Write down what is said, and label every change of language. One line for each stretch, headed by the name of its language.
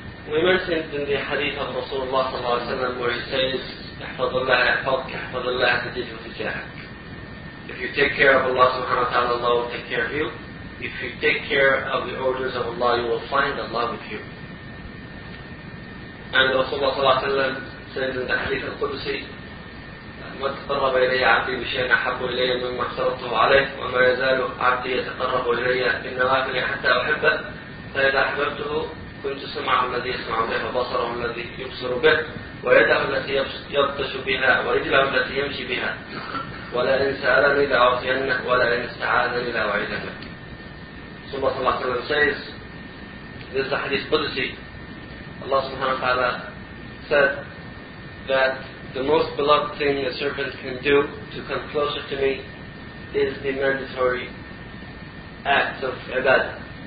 English: We mentioned in the hadith of Rasulullah sallallahu alaihi wasallam where he says,
Arabic: احفظ الله يحفظك احفظ الله تجد وتجاهك.
English: If you take care of Allah subhanahu wa ta'ala, Allah will take care of you. If you take care of the orders of Allah, you will find Allah with you. And Rasulullah sallallahu alaihi wasallam says in the hadith al-Qudusi,
Arabic: من تقرب إلي عبدي بشيء أحب إلي مما افترضته عليه وما يزال عبدي يتقرب إلي بالنوافل حتى أحبه فإذا أحببته كنت سمعه الذي يسمع به وبصره الذي يبصر به ويده التي يبطش بها ورجله التي يمشي بها ولئن سألني لأعطينه ولئن استعاذني لأعيذنه. ثم صلى الله عليه وسلم
English: says, this is a hadith Qudsi. Allah subhanahu wa ta'ala said that the most beloved thing a servant can do to come closer to me is the mandatory act of ibadah.